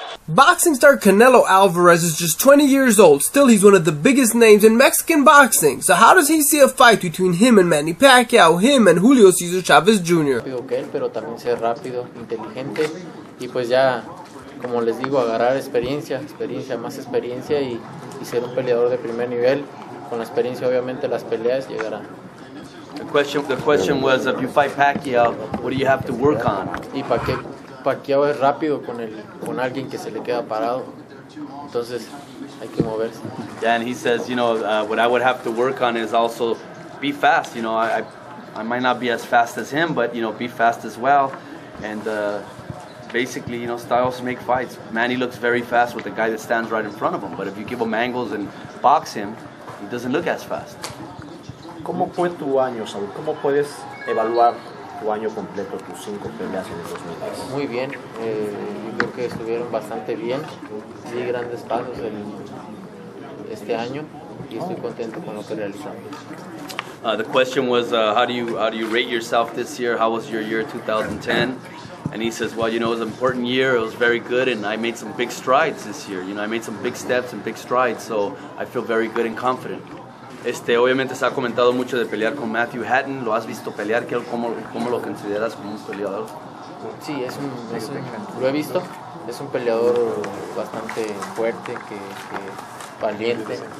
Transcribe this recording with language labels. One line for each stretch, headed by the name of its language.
English: Boxing star Canelo Alvarez is just 20 years old. Still, he's one of the biggest names in Mexican boxing. So how does he see a fight between him and Manny Pacquiao, him and Julio Cesar Chavez Jr.?
Spanish: Pero también ser rápido, inteligente, y pues ya, como les digo, agarrar experiencia, experiencia, más experiencia, y ser un peleador de primer nivel. Con la experiencia, obviamente, las peleas llegarán.
English: The question was, if you fight Pacquiao, what do you have to work on?
Spanish: Y Pacquiao es rápido con alguien que se le queda parado. Entonces, hay que moverse.
English: Yeah, and he says, you know, what I would have to work on is also be fast. You know, I might not be as fast as him, but, you know, be fast as well. And basically, you know, styles make fights. Manny looks very fast with the guy that stands right in front of him. But if you give him angles and box him, he doesn't look as fast.
Spanish: ¿Cómo fue tu año, Saúl? ¿Cómo puedes evaluar tu año completo, tus cinco peleas en 2010? Muy bien, yo creo que estuvieron bastante bien. Di grandes pasos este año y estoy contento con lo que realizamos.
English: The question was, how do you rate yourself this year? How was your year 2010? And he says, well, you know, it was an important year. It was very good, and I made some big strides this year. You know, I made some big steps and big strides, so I feel very good and confident.
Spanish: Obviamente se ha comentado mucho de pelear con Matthew Hatton. ¿Lo has visto pelear? ¿Cómo lo consideras como un peleador? Sí, lo he visto. Es un peleador bastante fuerte, que valiente.